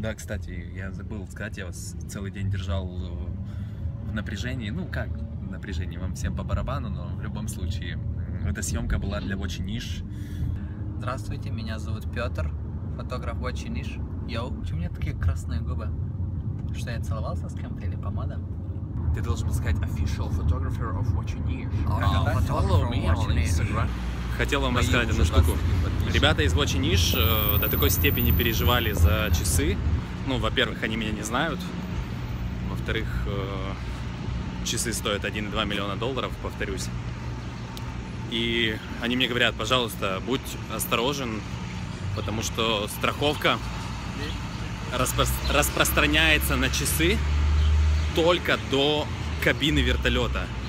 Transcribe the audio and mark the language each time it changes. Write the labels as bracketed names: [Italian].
[Russian] Да, кстати, я забыл сказать, я вас целый день держал... в напряжении, ну как в напряжении, вам всем по барабану, но в любом случае эта съемка была для Watchinish. Здравствуйте, меня зовут Петр, фотограф Watchinish. Йоу, почему у меня такие красные губы? Что, я целовался с кем-то или помада? Ты должен сказать [English] official photographer of Watchinish. Follow me on Instagram. [Russian] Хотел вам рассказать одну штуку. Ребята из Watchinish до такой степени переживали за часы. Ну, во-первых, они меня не знают. Во-вторых, часы стоят 1,2 миллиона долларов, повторюсь. И они мне говорят, пожалуйста, будь осторожен, потому что страховка распространяется на часы только до кабины вертолета.